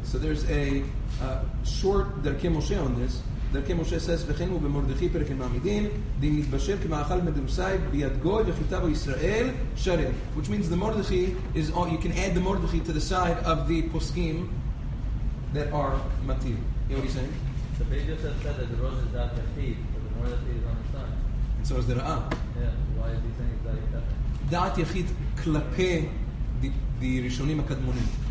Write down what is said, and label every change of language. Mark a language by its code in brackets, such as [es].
[en] So there's a short Derkei Moshe on this. [he] דרכי משה סס וכן הוא במורדכי פרק עם העמידים, דין מתבשל כמאכל מדרוסאי ביד גוי וחיטה בו ישראל, שרם. [en] Which means the מורדכי is, all, you can add the מורדכי to the side of the פוסקים that are מתיר. You know what he's saying? So Beit Yosef said that the rosh is דעת יחיד, but the מורדכי is on the side. And so is the ראה. Yeah, why is he saying [he] it's דעת יחיד? דעת יחיד כלפי the ראשונים הקדמונים.